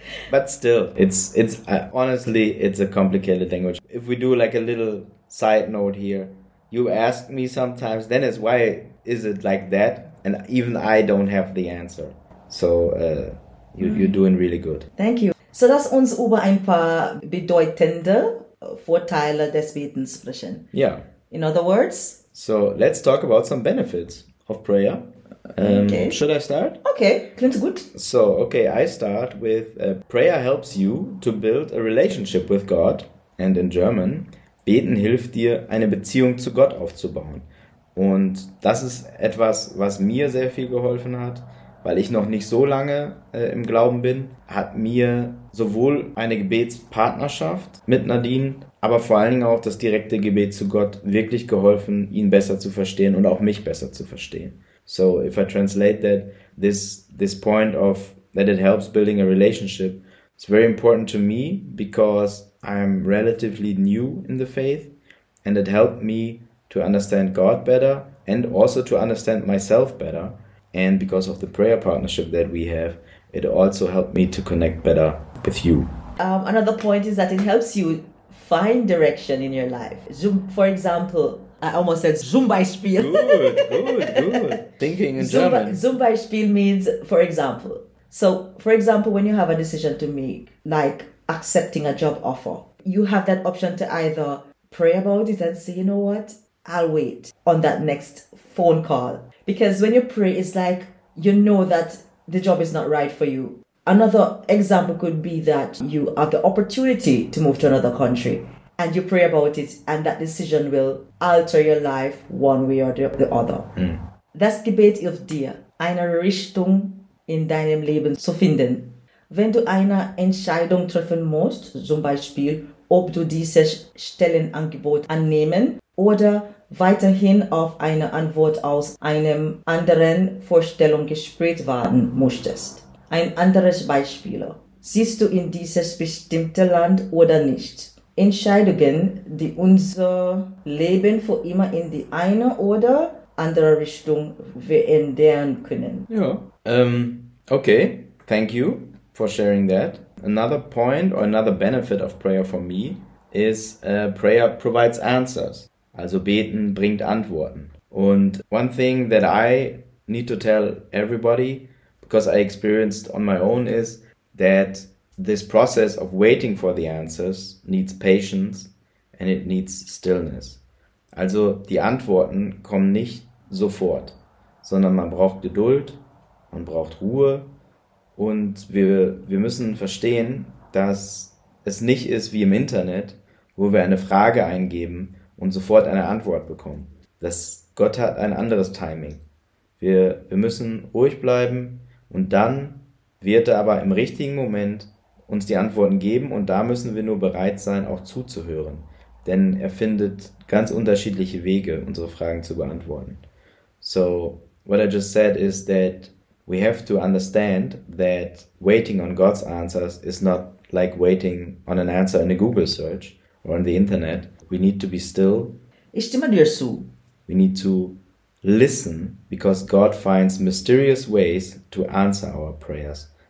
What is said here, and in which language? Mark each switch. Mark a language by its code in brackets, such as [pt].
[en] But still, it's honestly, it's a complicated language. If we do like a little side note here, you ask me sometimes, Dennis, why is it like that? And even I don't have the answer. So you're doing really good. Thank you. [de] So lass uns über ein paar bedeutende Vorteile des Betens sprechen. [en] Yeah. In other words, So let's talk about some benefits of prayer. Should I start? [de] okay, klingt gut. [en] So, okay, I start with prayer helps you to build a relationship with God. And in German, [de] beten hilft dir, eine Beziehung zu Gott aufzubauen. Und das ist etwas, was mir sehr viel geholfen hat, weil ich noch nicht so lange im Glauben bin. Hat mir sowohl eine Gebetspartnerschaft mit Nadine, aber vor allen Dingen auch das direkte Gebet zu Gott wirklich geholfen, ihn besser zu verstehen und auch mich besser zu verstehen. [en] So, if I translate that, this point of that it helps building a relationship, it's very important to me because I'm relatively new in the faith and it helped me to understand God better and also to understand myself better. And because of the prayer partnership that we have, it also helped me to connect better with you. Another point is that it helps you find direction in your life. Zoom, for example, I almost said Good, good, [de] Zumbeispiel. [en] good. Thinking in German. Zumbeispiel means, for example. So, for example, when you have a decision to make, like accepting a job offer, you have that option to either pray about it and say, you know what, I'll wait on that next phone call. Because when you pray, it's like you know that the job is not right for you. Another example could be that you have the opportunity to move to another country and you pray about it, and that decision will alter your life one way or the other. [de] Das Gebet hilft dir, eine Richtung in deinem Leben zu finden. Wenn du eine Entscheidung treffen musst, zum Beispiel, ob du dieses Stellenangebot annehmen oder weiterhin auf eine Antwort aus einem anderen Vorstellungsgespräch warten musstest. Ein anderes Beispiel. Siehst du in dieses bestimmte Land oder nicht? Entscheidungen, die unser Leben für immer in die eine oder andere Richtung verändern können. [en] Ja, okay, thank you for sharing that. Another point or another benefit of prayer for me is prayer provides answers. [de] Also beten bringt Antworten. [en] Und one thing that I need to tell everybody, because I experienced on my own, is that this process of waiting for the answers needs patience and it needs stillness. [de] Also die Antworten kommen nicht sofort, sondern man braucht Geduld, man braucht Ruhe und wir müssen verstehen, dass es nicht ist wie im Internet, wo wir eine Frage eingeben und sofort eine Antwort bekommen. Dass Gott hat ein anderes Timing. Wir müssen ruhig bleiben und dann wird er aber im richtigen Moment uns die Antworten geben und da müssen wir nur bereit sein, auch zuzuhören. Denn er findet ganz unterschiedliche Wege, unsere Fragen zu beantworten. [en] So, what I just said is that we have to understand that waiting on God's answers is not like waiting on an answer in a Google search or on the internet. We need to be still. [de] Ich stimme dir zu. [en] We need to listen because God finds mysterious ways to answer our prayers.